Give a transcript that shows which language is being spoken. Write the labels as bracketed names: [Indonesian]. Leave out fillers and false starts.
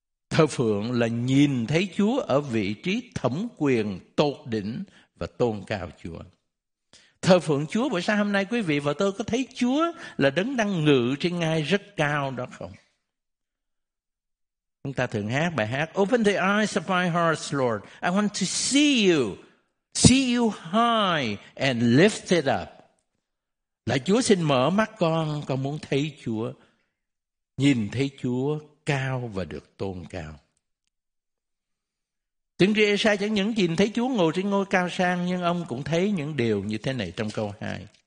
[Vietnamese] Thờ phượng là nhìn thấy Chúa ở vị trí thẩm quyền tột đỉnh và tôn cao Chúa. Thờ phượng Chúa buổi sáng hôm nay, quý vị và tôi có thấy Chúa là đấng đang ngự trên ngai rất cao đó không? Chúng ta thường hát bài hát [English] Open the eyes of my heart, Lord. I want to see you high and lifted up. [Vietnamese] Là Chúa xin mở mắt con muốn thấy Chúa, nhìn thấy Chúa cao và được tôn cao. Tiên tri Ê-sai chẳng những nhìn thấy Chúa ngồi trên ngôi cao sang, nhưng ông cũng thấy những điều như thế này trong câu 2.